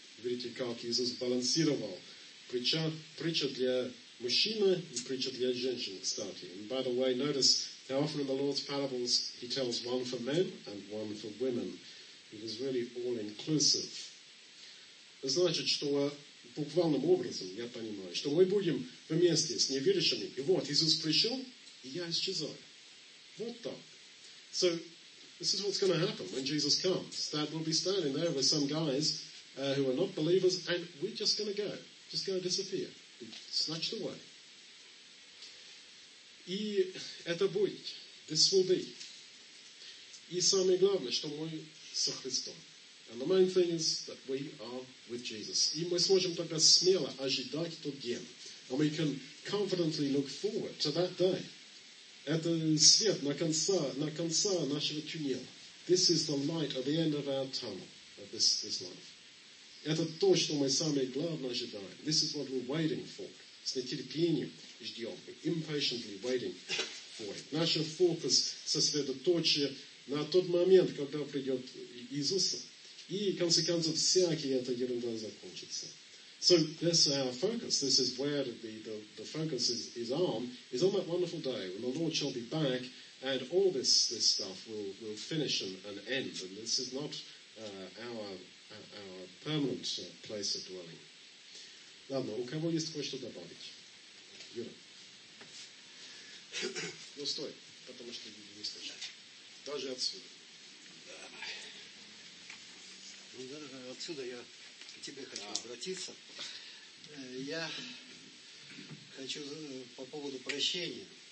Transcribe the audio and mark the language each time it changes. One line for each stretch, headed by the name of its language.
Russian: Видите, как Иисус балансировал. Притча для мужчины и притча для женщины, кстати.
English: And by the way, notice how often in the Lord's parables he tells one for men and one for women. It is really all-inclusive.
Russian: Значит, что буквальным образом, я понимаю, что мы будем вместе с неверующими. И вот, Иисус пришел, и я исчезаю. Вот так.
English: So, this is what's going to happen when Jesus comes. That we'll be standing there with some guys who are not believers, and we're just going to go. Just going to disappear. Be snatched away.
Russian: И это будет.
English: This will be.
Russian: И самое главное, что мы со Христом.
English: And the main thing is that we are with Jesus.
Russian: И мы сможем тогда смело ожидать тот день.
English: And we can confidently look forward to that day.
Russian: Это свет на конца нашего туннеля.
English: This is the light at the end of our tunnel of this life.
Russian: Это то, что мы самое главное ожидаем.
English: This is what we're waiting for.
Russian: С нетерпением ждем.
English: We're impatiently waiting for it.
Russian: Наш фокус сосредоточен на тот момент, когда придет Иисус. И, в конце концов, всякие эта ерунда закончится.
English: So, this is our focus. This is where the focus is on that wonderful day when the Lord shall be back and all this stuff will finish and end. And this is not our our permanent place of dwelling.
Russian: Ладно, у кого есть кое-что добавить? Юра. Ну, стой, потому что люди не слышат. Даже отсюда. Ну, даже отсюда я к тебе хочу обратиться. Я хочу по поводу прощения.